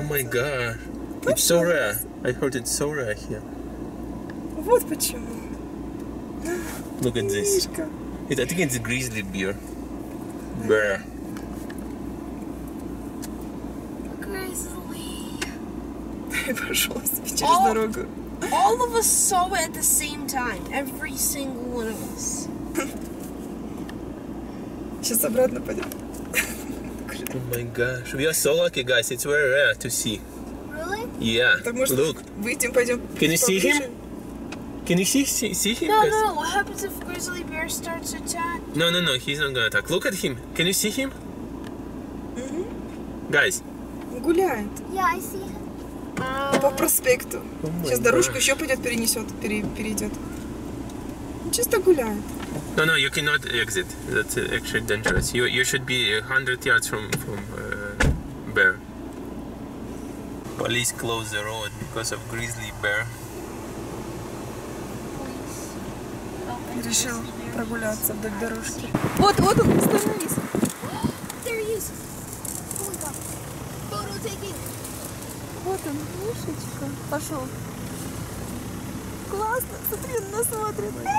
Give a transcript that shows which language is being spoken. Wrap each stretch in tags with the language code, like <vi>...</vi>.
<en>Oh my god.</en> <ru>Пошел.</ru> <en>It's so rare. I heard it's so rare here.</en> <ru>Вот почему.</ru> <en>Look at this.</en> <ru>Мишка.</ru> <en>It, I think it's a grizzly bear. Bear. Grizzly.</en> <ru>Пошел себе через дорогу.</ru> <en>All of us saw it at the same time. Every single one of us.</en> <ru>Сейчас обратно пойдем.</ru> <en>Oh my gosh. We are so lucky, guys. It's very rare to see. Really? Yeah.</en> <ru>Так, может,</ru> <en>look.</en> <ru>Выйдем, пойдем.</ru> <en>Can you see him? Can you see him? No, no, no. What happens if grizzly bear starts attack? No, no, no. He's not gonna attack. Look at him. Can you see him? Mm-hmm. Guys.</en> <ru>Гуляет.</ru> <en>Yeah, I see him.</en> <ru>По проспекту. Oh, сейчас дорожку еще пойдет, перенесет, перейдет. Чисто гуляет.</ru> <en>No, no, you cannot exit. That's actually dangerous. You should be 100 yards from bear. Police close the road because of grizzly bear.</en> <ru>Решил прогуляться вдоль дорожки. Вот, вот он, остановись.</ru> <en>There he is. Oh my god. Photo taking.</en> <ru>Вот он, мишечка. Пошел. Классно, смотри, он нас смотрит.</ru>